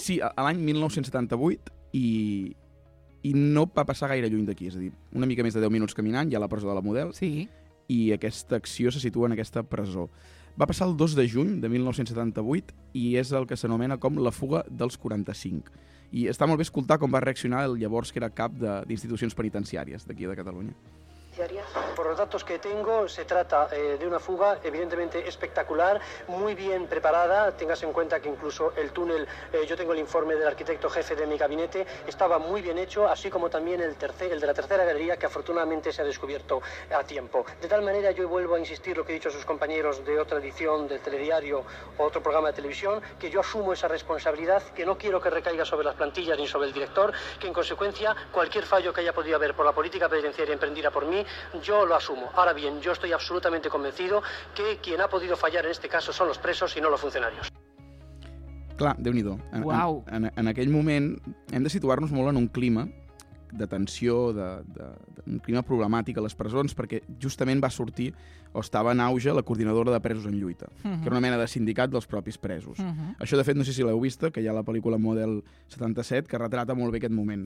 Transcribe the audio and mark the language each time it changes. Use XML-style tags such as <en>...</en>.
<ca>Sí, a l'any 1978, i no va passar gaire lluny d'aquí, és a dir, una mica més de 10 minuts caminant, hi ha la presó de la Model, sí. I aquesta acció se situa en aquesta presó. Va passar el 2 de juny de 1978, i és el que s'anomena com la fuga dels 45. I està molt bé escoltar com va reaccionar el llavors que era cap d'institucions penitenciàries d'aquí de Catalunya.</ca> <es>Por los datos que tengo, se trata de una fuga evidentemente espectacular, muy bien preparada. Tengas en cuenta que incluso el túnel, yo tengo el informe del arquitecto jefe de mi gabinete, estaba muy bien hecho, así como también el de la tercera galería, que afortunadamente se ha descubierto a tiempo. De tal manera, yo vuelvo a insistir lo que he dicho a sus compañeros de otra edición del telediario o otro programa de televisión, que yo asumo esa responsabilidad, que no quiero que recaiga sobre las plantillas ni sobre el director, que en consecuencia cualquier fallo que haya podido haber por la política penitenciaria emprendida por mí, yo lo asumo. Ahora bien, yo estoy absolutamente convencido que quien ha podido fallar en este caso son los presos y no los funcionarios.</es> <ca>Clar, déu-n'hi-do. Uau. En aquell moment hem de situar-nos molt en un clima de tensió, un clima problemàtic a les presons, perquè justament va sortir o estava en auge la coordinadora de presos en lluita, uh-huh. que era una mena de sindicat dels propis presos. Uh-huh. Això, de fet, no sé si l'heu vista, que hi ha la pel·lícula Model 77, que retrata molt bé aquest moment.</ca>